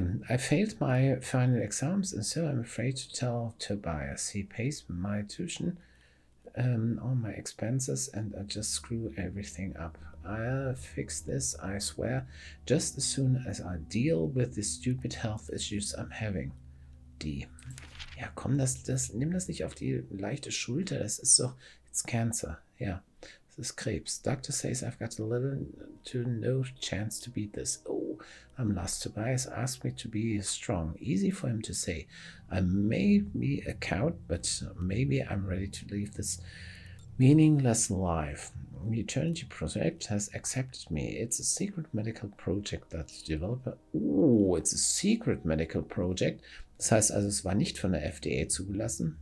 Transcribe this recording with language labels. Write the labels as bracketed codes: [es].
[en] I failed my final exams, and so I'm afraid to tell Tobias. He pays my tuition, all my expenses, and I just screw everything up. I'll fix this, I swear, just as soon as I deal with the stupid health issues I'm having. Die. [de] Ja, komm, nimm das nicht auf die leichte Schulter. Das ist doch, [en] it's cancer. [de] Ja, das ist Krebs. [en] Doctor says I've got a little to no chance to beat this. Oh, I'm lost. Tobias asked me to be strong. Easy for him to say. I may be a coward, but maybe I'm ready to leave this meaningless life. The Eternity Project has accepted me. It's a secret medical project that the developer... Oh, it's a secret medical project. [de] Das heißt also, es war nicht von der FDA zugelassen.